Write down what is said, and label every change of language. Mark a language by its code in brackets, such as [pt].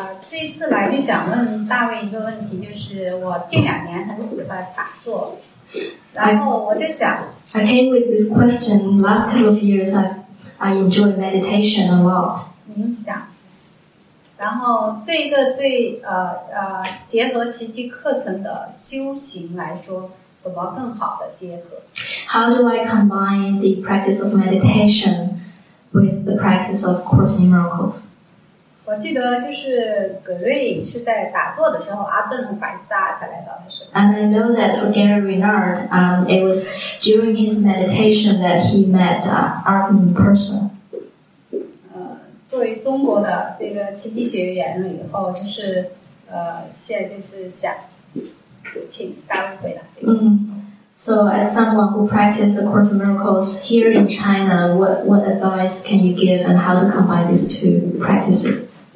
[zh] 这一次来就想问大卫一个问题，就是我近两年很喜欢打坐，然后我就想 [en] I came with this question. Last couple of years I enjoy meditation a lot. [zh] 冥想，然后这个对结合奇迹课程的修行来说怎么更好的结合？ [en] How do I combine the practice of meditation with the practice of Course in Miracles? [zh] 我记得就是葛瑞是在打坐的时候阿顿白萨才来到的时候。 [en] And I know that for Gary Renard, it was during his meditation that he met Arden in person. [zh] 作为中国的这个奇迹学员了以后，就是现在就是想请大卫回来。 [en] So as someone who practices A Course in Miracles here in China, what advice can you give and how to combine these two practices?